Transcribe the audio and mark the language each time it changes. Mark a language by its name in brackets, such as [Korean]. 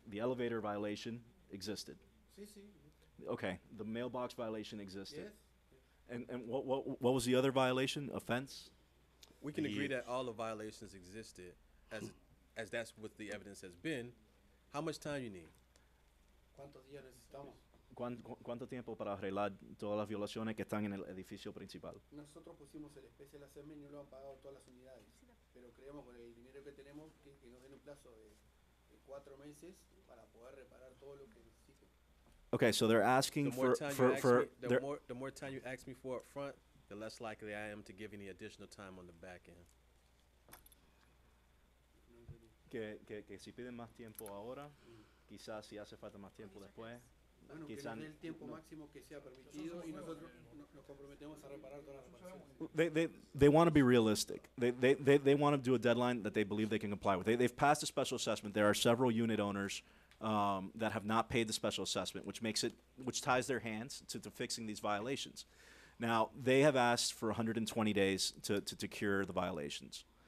[English] The elevator violation existed. See. Okay, the mailbox violation existed. Yes. And what was the other violation? Offense? We can agree that all the violations existed, as that's what the evidence has been. How much time you need? [Spanish] ¿Cuánto tiempo para arreglar todas las violaciones que están en el edificio principal? Nosotros pusimos el especial de hacerme y no lo han pagado todas las unidades. Pero creemos con el dinero que tenemos que nos den un plazo de 4 meses para poder reparar todo lo que necesiten. [English] Okay, so they're asking the more time you ask me for up front, the less likely I am to give any additional time on the back end. [Spanish] Que si piden más tiempo ahora, quizás si hace falta más tiempo después. Bueno, que nos den el tiempo máximo que sea permitido y nosotros nos comprometemos a reparar todas las [English] reparaciones. They want to be realistic. They want to do a deadline that they believe they can comply with. They've passed a special assessment. There are several unit owners that have not paid the special assessment, which ties their hands to fixing these violations. Now, they have asked for 120 days to cure the violations.